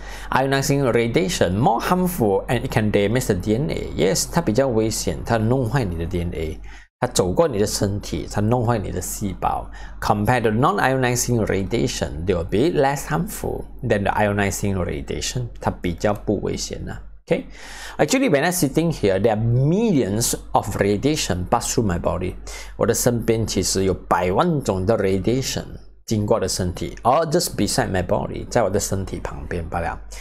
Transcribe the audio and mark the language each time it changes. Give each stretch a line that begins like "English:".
English: Ionizing radiation, more harmful and it can damage the DNA.
Chinese: Yes, 它比较危险，它弄坏你的 DNA。它走过你的身体，它弄坏你的细胞。
English: Compared to non-ionizing radiation, they will be less harmful than the ionizing radiation.
Chinese: 它比较不危险呢。Okay?
English: Actually, when I'm sitting here, there are millions of radiation pass through my body.
Chinese: 我的身边其实有百万种的 radiation 经过的身体
English: or just beside my body,
Chinese: 在我的身体旁边罢了。